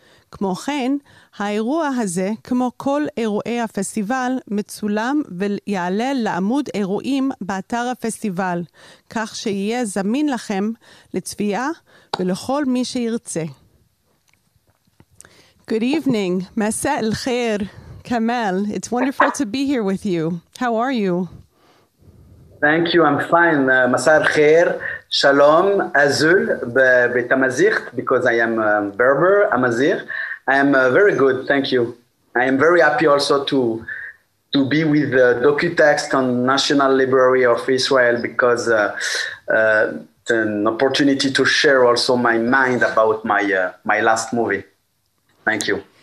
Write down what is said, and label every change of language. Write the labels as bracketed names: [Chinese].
[Hebrew] כמו כן, האירוע הזה, כמו כל אירועי הפסטיבל, מצולם ויעלה לעמוד אירועים באתר הפסטיבל, כך שיהיה זמין לכם לצפייה ולכל מי שירצה. [English] Good evening. [Arabic] מסע אל חיר. [English] קמאל, it's wonderful to be here with you. How are you? Thank you, I'm fine. [Arabic] מסע אל חיר. [Hebrew] שלום, [Berber languages] אזול, בתמזיכת, [English] because I am Berber, [Berber languages] אמזיך. [English] I am very good, thank you. I am very happy also to be with the DocuText on National Library of Israel because it's an opportunity to share also my mind about my my last movie. Thank you.